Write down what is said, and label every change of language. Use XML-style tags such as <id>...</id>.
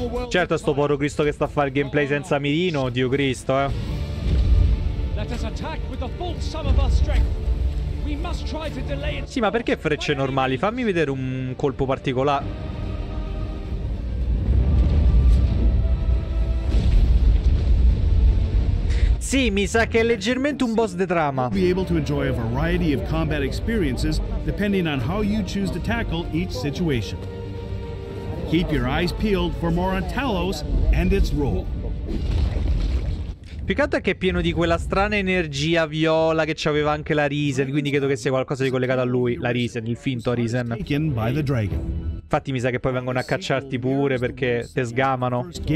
<it>Certo, sto povero Cristo che sta a fare gameplay senza mirino, Dio Cristo, eh.</it> <en>Let us attack with the full sum of our strength. We must try to delay it.</en> <it>Sì, ma perché frecce normali? Fammi vedere un colpo particolare. Sì, mi sa che è leggermente un boss di trama.</it> <en>Be able to enjoy a variety of combat experiences depending on how you choose to tackle each situation. Keep your eyes peeled for more on Talos and its role.</en> <it>Più che altro è che è pieno di quella strana energia viola che c'aveva anche la Risen, quindi credo che sia qualcosa di collegato a lui, la Risen, il finto Risen. Infatti mi sa che poi vengono a cacciarti pure perché te sgamano.</it>